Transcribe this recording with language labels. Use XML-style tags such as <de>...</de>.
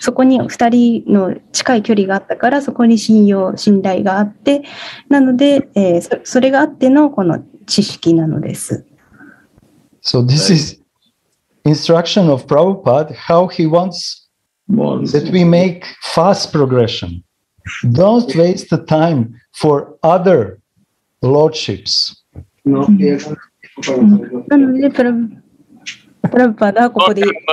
<ja>そこに2人の近い距離があったから、そこに信用、信頼があって、なので、それがあってのこの知識なのです。</ja> <en>So this is instruction of Prabhupada, how he wants that we make fast progression. Don't waste the time for other lordships.</en> <ja>なのでプラブパダはここで</ja>